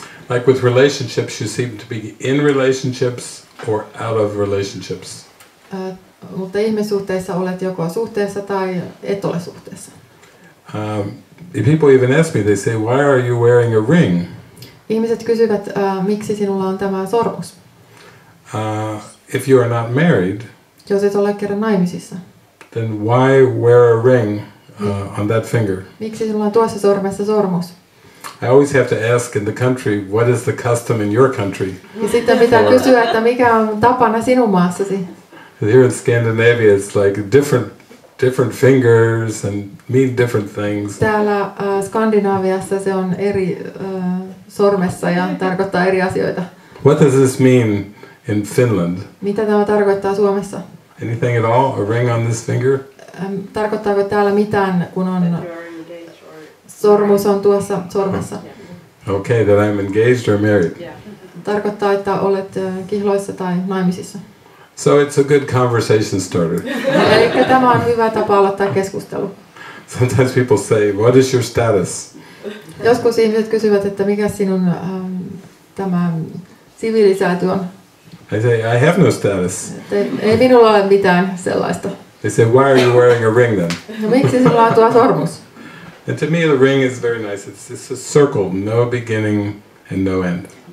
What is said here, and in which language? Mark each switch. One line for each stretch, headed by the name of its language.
English: Like with relationships, you seem to be in relationships or out of relationships.
Finnish: Mutta ihmissuhteissa olet joko suhteessa tai et ole suhteessa.
English: People even ask me, they say, why are you wearing a ring?
Finnish: Ihmiset kysyvät, miksi sinulla on tämä sormus?
English: If you are not married,
Finnish: jos et ole kerran naimisissa,
English: then why wear a ring on that finger?
Finnish: Miksi sinulla on tuossa sormessa sormus?
English: I always have to ask in the country, what is the custom in your country?
Finnish: Ja sitten pitää kysyä, että mikä on tapana sinun maassasi.
English: Here in Scandinavia, it's like different fingers and mean different things.
Finnish: Täällä Skandinaaviassa se on eri sormessa ja tarkoittaa eri asioita.
English: What does this mean in Finland?
Finnish: Mitä tämä tarkoittaa Suomessa?
English: Anything at all? A ring on this finger?
Finnish: Tarkoittaako täällä mitään, kun on... Sormus on tuossa sormessa.
English: Okay, that I'm engaged or married.
Finnish: Tarkoittaa, että olet kihloissa tai naimisissa.
English: So it's a good conversation starter.
Finnish: Eli tämä on hyvä tapa aloittaa keskustelu.
English: Sometimes people say, what is your status?
Finnish: Joskus ihmiset kysyvät, että mikä sinun tämä siviilisääty on.
English: I say, I have no status.
Finnish: Ei minulla ole mitään sellaista.
English: They say, why are you wearing a ring then?
Finnish: No miksi sinulla on tuo sormus?
English: And to me the ring is very nice. It's a circle, no beginning and no end.